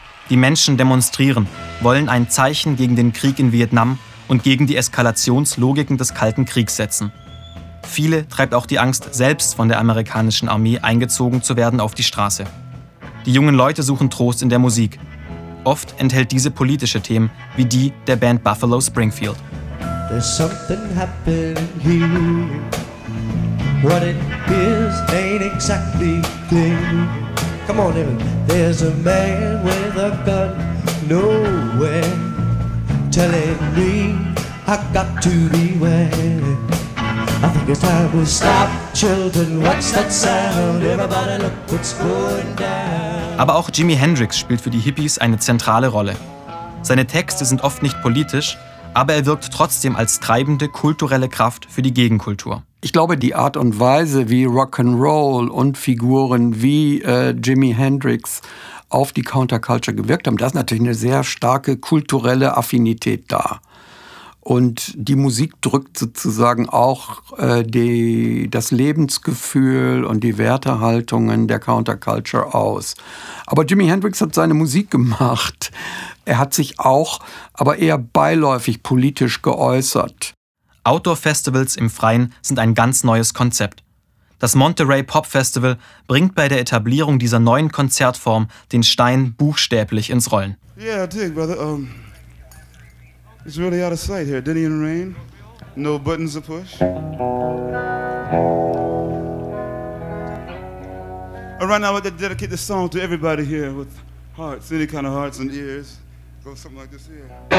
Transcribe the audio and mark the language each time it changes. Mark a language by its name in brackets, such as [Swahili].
[German] Die Menschen demonstrieren, wollen ein Zeichen gegen den Krieg in Vietnam und gegen die Eskalationslogiken des Kalten Kriegs setzen. Viele treibt auch die Angst, selbst von der amerikanischen Armee eingezogen zu werden, auf die Straße. Die jungen Leute suchen Trost in der Musik. Oft enthält diese politische Themen, wie die der Band Buffalo Springfield. [English] There's something happening here. What it is ain't exactly clear. Come on, Evan. There's a man with a gun nowhere telling me I got to beware. I think it's time we stop, children. What's that sound? Everybody look what's going down. [German] Aber auch Jimi Hendrix spielt für die Hippies eine zentrale Rolle. Seine Texte sind oft nicht politisch, aber er wirkt trotzdem als treibende kulturelle Kraft für die Gegenkultur. Ich glaube, die Art und Weise, wie Rock'n'Roll und Figuren wie Jimi Hendrix auf die Counterculture gewirkt haben, da ist natürlich eine sehr starke kulturelle Affinität da. Und die Musik drückt sozusagen auch das Lebensgefühl und die Wertehaltungen der Counterculture aus. Aber Jimi Hendrix hat seine Musik gemacht. Er hat sich auch, aber eher beiläufig politisch geäußert. Outdoor-Festivals im Freien sind ein ganz neues Konzept. Das Monterey Pop Festival bringt bei der Etablierung dieser neuen Konzertform den Stein buchstäblich ins Rollen. [English] Yeah, I dig, brother. It's really out of sight here. Didn't even rain. No buttons to push. All right, now I want to dedicate this song to everybody here with hearts, any kind of hearts and ears. Go something like this here.